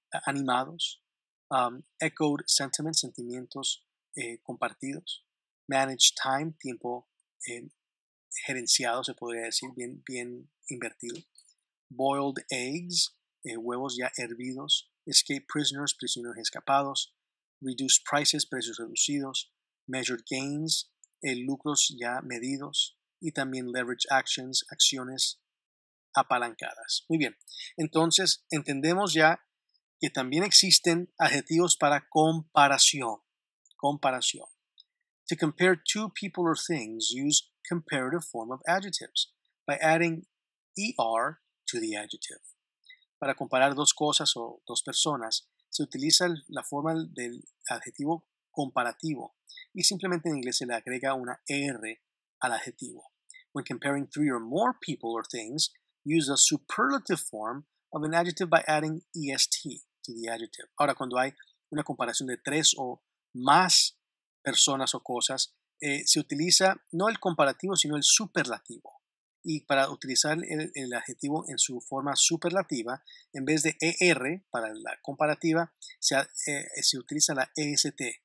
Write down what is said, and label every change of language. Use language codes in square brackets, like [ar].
[es] animados, [en] echoed sentiments, [es] sentimientos compartidos, [en] managed time, [es] tiempo gerenciado, se podría decir, bien invertido, [en] boiled eggs, [es] huevos ya hervidos, [en] escape prisoners, [es] prisioneros escapados, [en] reduced prices, [es] precios reducidos, [en] measured gains, [es] lucros ya medidos, y también [en] leverage actions, [es] acciones apalancadas. Muy bien, entonces entendemos ya que también existen adjetivos para comparación. [en] To compare two people or things, use comparative form of adjectives by adding er to the adjective. [es] Para comparar dos cosas o dos personas, se utiliza la forma del adjetivo comparativo y simplemente en inglés se le agrega una r al adjetivo. [en] When comparing three or more people or things, use the superlative form of an adjective by adding est to the adjective. [es] Ahora, cuando hay una comparación de tres o más personas o cosas, se utiliza no el comparativo, sino el superlativo. Y para utilizar el adjetivo en su forma superlativa, en vez de er para la comparativa, se utiliza la est.